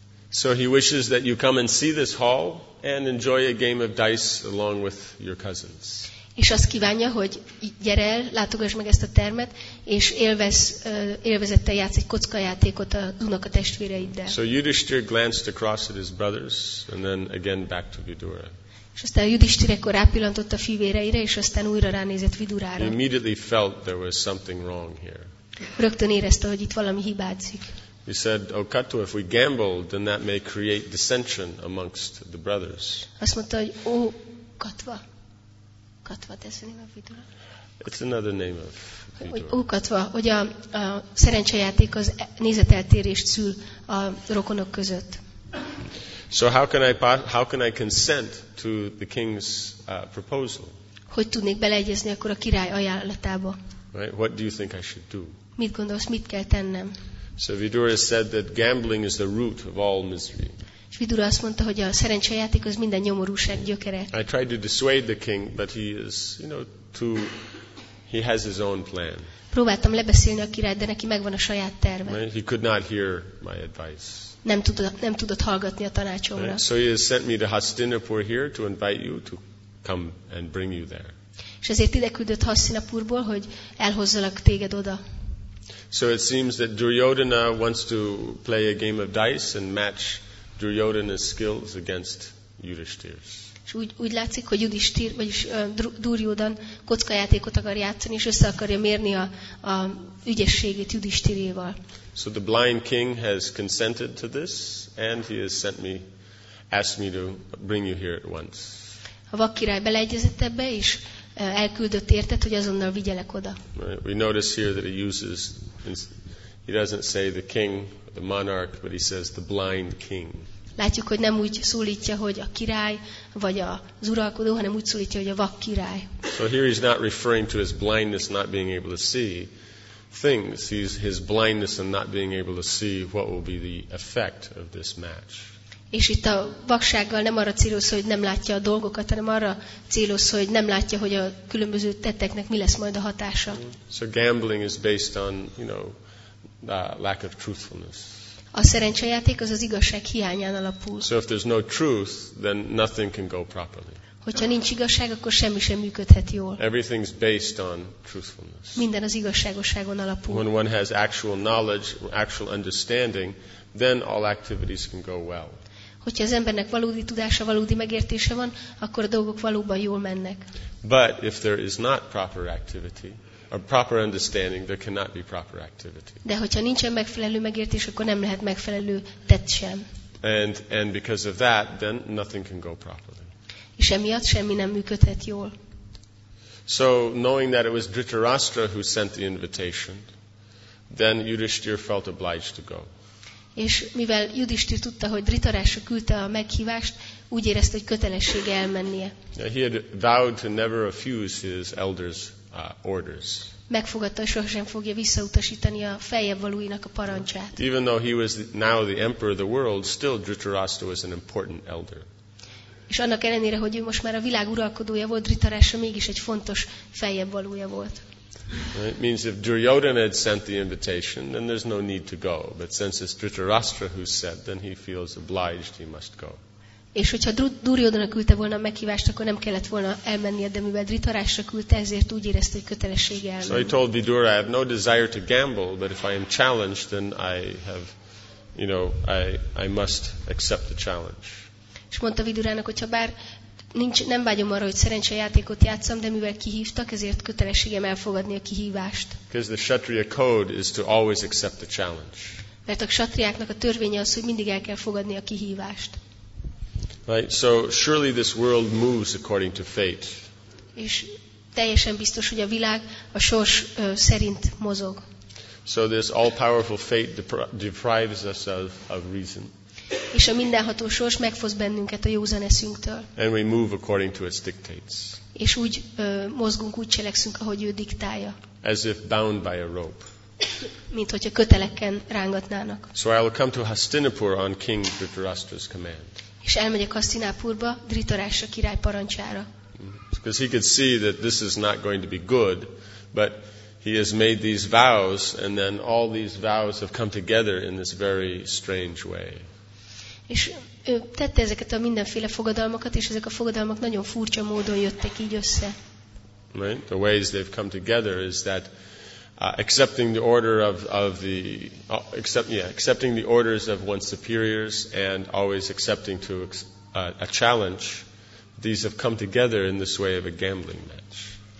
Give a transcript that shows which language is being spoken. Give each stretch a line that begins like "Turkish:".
English: So he wishes that you come and see this hall and enjoy a game of dice along with your cousins.
Hungarian: És azt kívánja, hogy gyere el, látogass meg ezt a termet, és élvezettel játsz egy kockajátékot az unokatestvéreiddel.
English: So Yudhishthira glanced across at his brothers and then again back to Vidura.
Hungarian: És aztán Yudhishthira ekkor rápillantott a fivéreire, és aztán újra ránézett Vidurára.
English: He immediately felt there was something wrong here.
Hungarian: Rögtön érezte, hogy itt valami hibázik.
English: He said, "O Katwa, if we gamble, then that may create dissension amongst the brothers."
Hungarian: Azt mondta, hogy ó, Katwa.
English: Katwa, that's the name of Vidura. It's another name of Vidura.
Hungarian: Ó, Katwa, hogy a szerencsejáték az nézeteltérést szül a rokonok között.
English: So how can I consent to the king's proposal?
Hungarian: Hogy tudnék beleegyezni akkor a király ajánlatába?
English: Right? What do you think I should do?
Hungarian: Mit gondolsz, mit kell tennem?
English: So Vidura said that gambling is the root of all misery.
Hungarian: Vidura azt mondta, hogy a szerencsejáték az minden nyomorúság gyökere.
English: I tried to dissuade the king, but he is, he has his own plan.
Hungarian: Próbáltam lebeszélni a királyt, de neki megvan a saját terve.
English: Right? He could not hear my advice.
Hungarian: Nem tudott hallgatni a tanácsomra.
English: Right? So he has sent me to Hastinapur here to invite you to come and bring you there.
Hungarian: És ezért ide küldött Hastinapurból, hogy elhozzalak téged oda.
English: So it seems that Duryodhana wants to play a game of dice and match Duryodhana's skills against Yudhishthira's.
Hungarian: És úgy látszik, hogy Yudhishthira, vagyis Duryodhan kockajátékot akar játszani, és össze akarja mérni a ügyességét Yudhishthiréval.
English: So the blind king has consented to this, and he has asked me to bring you here at once.
Hungarian: A vak király beleegyezett ebbe is. Elküldött értet, hogy azonnal vigyelek oda.
English: Right. We notice here that he doesn't say the king, the monarch, but he says the blind king.
Hungarian: Látjuk, hogy nem úgy szólítja, hogy a király, vagy az uralkodó, hanem úgy szólítja, hogy a vak király.
English: So here he's not referring to his blindness not being able to see things. He's his blindness and not being able to see what will be the effect of this match.
Hungarian: És itt a vaksággal nem arra célosz, hogy nem látja a dolgokat, hanem arra célosz, hogy nem látja, hogy a különböző tetteknek mi lesz majd a hatása.
English: So gambling is based on, lack of truthfulness.
Hungarian: A szerencsejáték az igazság hiányán alapul.
English: So if there's no truth, then nothing can go properly.
Hungarian: Hogyha nincs igazság, akkor semmi sem működhet jól.
English: Everything's based on truthfulness.
Hungarian: Minden az igazságosságon alapul.
English: When one has actual knowledge, actual understanding, then all activities can go well.
Hungarian: Hogyha az embernek valódi tudása, valódi megértése van, akkor a dolgok valóban jól mennek.
English: But if there is not proper activity, a proper understanding, there cannot be proper activity.
Hungarian: De hogyha nincsen megfelelő megértés, akkor nem lehet megfelelő tett sem.
English: And because of that, then nothing can go properly.
Hungarian: És emiatt semmi nem működhet jól.
English: So knowing that it was Dhritarashtra who sent the invitation, then Yudhishthir felt obliged to go.
Hungarian: És mivel Yudhishthir tudta, hogy Dhritarashtra küldte a meghívást, úgy érezte, hogy kötelessége elmennie.
English: He had vowed to never refuse his elders' orders.
Hungarian: Megfogadta, hogy sohasem fogja visszautasítani a feljebb valóinak a parancsát.
English: Even though he was now the emperor of the world, still Dhritarashtra was an important elder.
Hungarian: És annak ellenére, hogy ő most már a világ uralkodója volt, Dhritarashtra mégis egy fontos feljebb valója volt.
English: It means if Duryodhana had sent the invitation, then there's no need to go. But since it's Dhritarashtra who sent, then he feels obliged, he must go.
Hungarian: És hogyha Duryodhana küldte volna a meghívást, akkor nem kellett volna elmennie, de mivel Dhritarashtra küldte, ezért úgy érezte, hogy kötelessége elmenni.
English: So he told Vidura, I have no desire to gamble, but if I am challenged, then I have, you know, I must accept the challenge.
Hungarian: És mondta Vidurának, hogyha bár nem vágyom arra, hogy szerencsejátékot játszam, de mivel kihívtak, ezért kötelességem elfogadni a kihívást.
English: Because the Kshatriya code is to always accept the challenge.
Hungarian: Mert a ksatriáknak a törvénye az, hogy mindig el kell fogadni a kihívást.
English: Right, so surely this world moves according to fate.
Hungarian: És teljesen biztos, hogy a világ a sors szerint mozog.
English: So this all-powerful fate deprives us of reason.
Hungarian: És a mindenható sors megfosz bennünket a józan eszünktől.
English: And we move according to its dictates.
Hungarian: És úgy mozgunk, úgy cselekszünk, ahogy ő diktálja.
English: As if bound by a rope.
Hungarian: Mint hogyha köteleken rángatnának.
English: So I will come to Hastinapur on King Dhritarashtra's command.
Hungarian: És elmegyek Hasztinápurba, Dhritarashtra király parancsára.
English: Because he could see that this is not going to be good, but he has made these vows, and then all these vows have come together in this very strange way.
Hungarian: És ő tette ezeket a mindenféle fogadalmakat, és ezek a fogadalmak nagyon furcsa módon jöttek így össze.
English: Right? The ways they've come together is that accepting the order accepting the orders of one's superiors and always accepting to a challenge, these have come together in this way of a gambling match.